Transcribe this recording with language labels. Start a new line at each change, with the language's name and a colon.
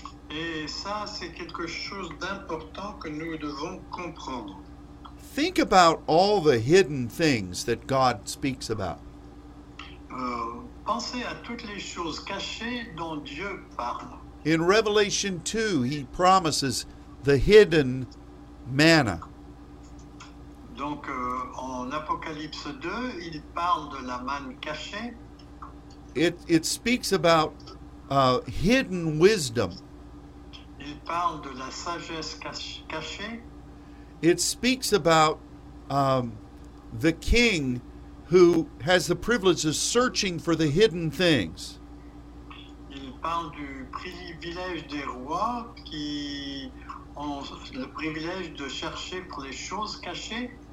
French: Et ça, c'est quelque chose d'important que nous devons comprendre.
English: Think about all the hidden things that God speaks about.
French: Pensez à toutes les choses cachées dont Dieu parle.
English: In Revelation 2, he promises the hidden manna.
French: Donc, en Apocalypse 2, il parle de la manne cachée.
English: It speaks about hidden wisdom.
French: Il parle de la sagesse cachée.
English: It speaks about the king who has the privilege of searching for the hidden things.
French: Il parle du privilège des rois qui ont le privilège de chercher pour les choses cachées.